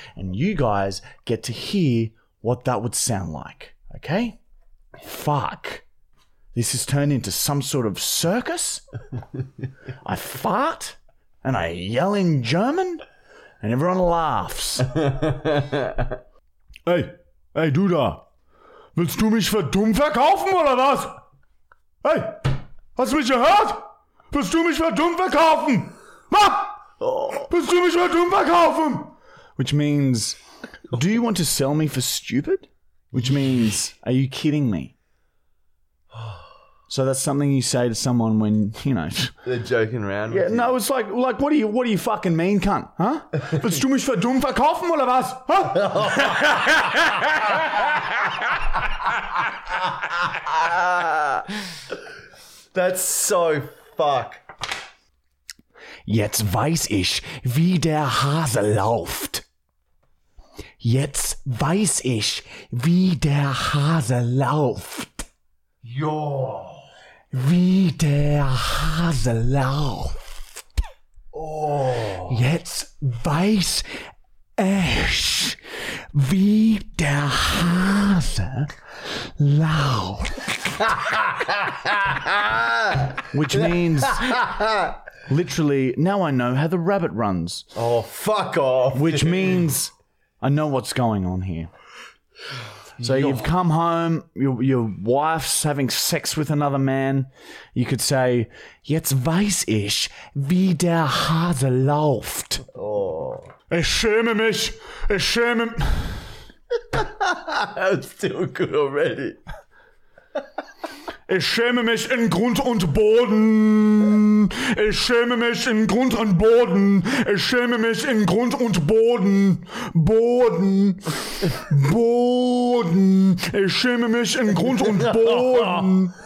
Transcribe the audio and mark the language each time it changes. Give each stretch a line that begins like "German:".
English: And you guys get to hear what that would sound like, okay? Fuck. This has turned into some sort of circus. I fart and I yell in German and everyone laughs.
German: Hey, du da. Willst du mich für dumm verkaufen oder was? Hey, hast du mich gehört? Willst du mich für dumm verkaufen? Ma! Willst du mich für dumm verkaufen?
English: Which means, do you want to sell me for stupid? Which means, are you kidding me? So that's something you say to someone when, you know. They're joking around. Yeah, with no, you. It's like, what do you fucking mean, cunt? Huh?
German: Willst du mich für dumm verkaufen oder was? Huh?
English: That's so funny. Fuck.
German: Jetzt weiß ich, wie der Hase läuft. Jetzt weiß ich, wie der Hase läuft. Jo. Wie der Hase läuft. Oh. Jetzt weiß ich, wie der Hase läuft.
English: Which means, literally, now I know how the rabbit runs. Oh, fuck off. Which means, I know what's going on here. So you've come home, your wife's having sex with another man. You could say,
German: jetzt weiß ich, wie der Hase läuft. Oh. Ich schäme mich. Ich schäme.
English: That's still good already.
German: Ich schäme mich in Grund und Boden. Ich schäme mich in Grund und Boden. Ich schäme mich in Grund und Boden. Boden. Boden. Ich schäme mich in Grund und Boden.